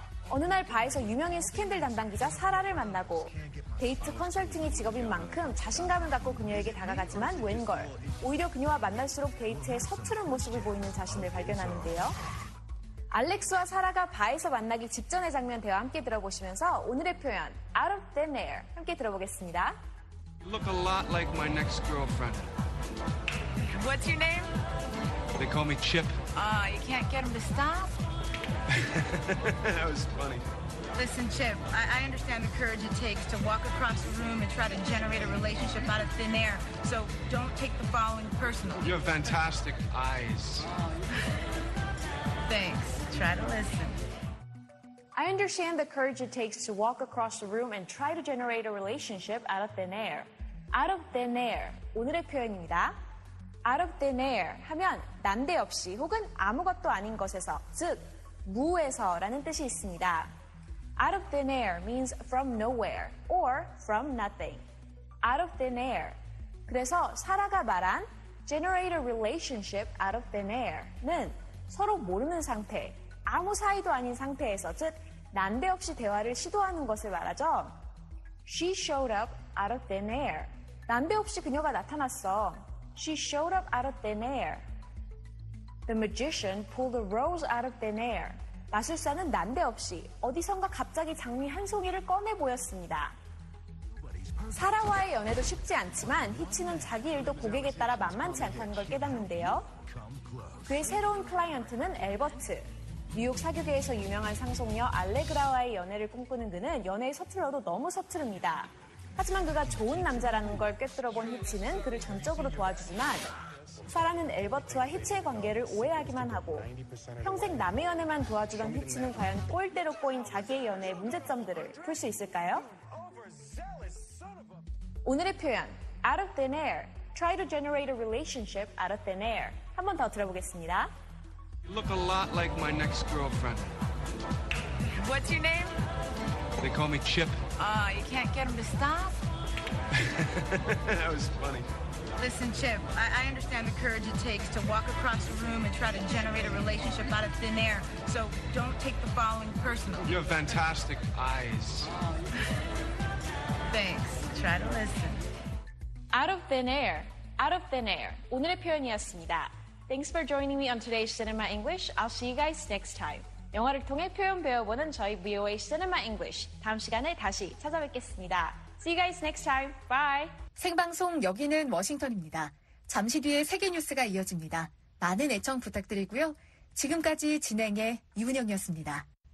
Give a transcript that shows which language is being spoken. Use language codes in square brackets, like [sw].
[ko] 어느 날 바에서 유명인 스캔들 담당 기자 사라를 만나고 데이트 컨설팅이 직업인 만큼 자신감을 갖고 그녀에게 다가가지만 웬걸 오히려 그녀와 만날수록 데이트에 서투른 모습을 보이는 자신을 발견하는데요. 알렉스와 사라가 바에서 만나기 직전의 장면 대화 함께 들어보시면서 오늘의 표현 [en] Out of thin air [ko] 함께 들어보겠습니다. [en] Look a lot like my next girlfriend. What's your name? They call me Chip. You can't get him to stop? That was funny. Listen, Chip, I understand the courage it takes to walk across the room and try to generate a relationship out of thin air. So don't take the following personally. You have fantastic eyes. Thanks. Try to listen. I understand the courage it takes to walk across the room and try to generate a relationship out of thin air. Out of thin air. [ko] 오늘의 표현입니다. [en] Out of thin air [ko] 하면 난데없이 혹은 아무것도 아닌 것에서, 즉 무에서라는 뜻이 있습니다. [en] Out of thin air means from nowhere or from nothing. Out of thin air. [ko] 그래서 사라가 말한 [en] generate a relationship out of thin air [ko] 는 서로 모르는 상태, 아무 사이도 아닌 상태에서, 즉 난데없이 대화를 시도하는 것을 말하죠. [en] She showed up out of thin air. [ko] 난데없이 그녀가 나타났어. [en] She showed up out of thin air. The magician pulled a rose out of thin air. [ko] 마술사는 난데없이 어디선가 갑자기 장미 한 송이를 꺼내 보였습니다. 사라와의 연애도 쉽지 않지만 히치는 자기 일도 고객에 따라 만만치 않다는 걸 깨닫는데요. 그의 새로운 클라이언트는 엘버트. 뉴욕 사교계에서 유명한 상속녀 알레그라와의 연애를 꿈꾸는 그는 연애의 서툴러도 너무 서투릅니다. 하지만 그가 좋은 남자라는 걸 꿰뚫어본 히치는 그를 전적으로 도와주지만 사라는 엘버트와 히치의 관계를 오해하기만 하고 평생 남의 연애만 도와주던 히치는 과연 꼴대로 꼬인 자기의 연애의 문제점들을 풀 수 있을까요? 오늘의 표현 [en] Out of thin air Try to generate a relationship out of thin air [ko] 한 번 더 들어보겠습니다. [en] You look a lot like my next girlfriend. What's your name? They call me Chip. You can't get him to stop? That was funny. Listen, Chip, I understand the courage it takes to walk across the room and try to generate a relationship out of thin air. So don't take the following personally. You have fantastic eyes. Thanks. Try to listen. Out of thin air. Out of thin air. [ko] 오늘의 표현이었습니다. [en] Thanks for joining me on today's Cinema English. I'll see you guys next time. [ko] 영화를 통해 표현 배워보는 저희 VOA Cinema English. 다음 시간에 다시 찾아뵙겠습니다. [en] See you guys next time. Bye. [ko] 생방송 여기는 워싱턴입니다. 잠시 뒤에 세계 뉴스가 이어집니다. 많은 애청 부탁드리고요. 지금까지 진행해 이은영이었습니다.